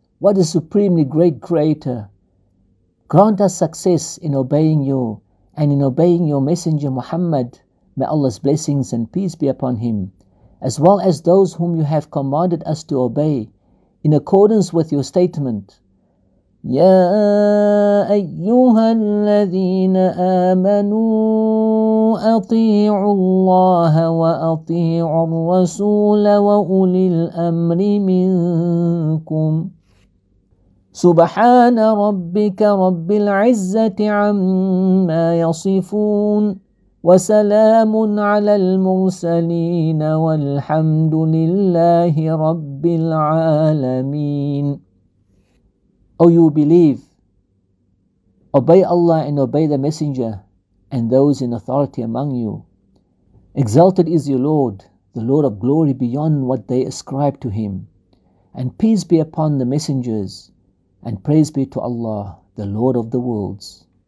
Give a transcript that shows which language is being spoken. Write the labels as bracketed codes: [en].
[en] What a supremely great Creator. Grant us success in obeying you and in obeying your Messenger Muhammad. May Allah's blessings and peace be upon him, as well as those whom you have commanded us to obey, in accordance with your statement. [ar] يا أيها الذين آمنوا أطيعوا الله وأطيعوا الرسول وأولي الأمر منكم سبحان ربك رب العزة عما يصفون وسلام على المرسلين والحمد لله رب العالمين. [en] O you who believe, obey Allah and obey the Messenger and those in authority among you. Exalted is your Lord, the Lord of glory beyond what they ascribe to him. And peace be upon the messengers, and praise be to Allah, the Lord of the worlds.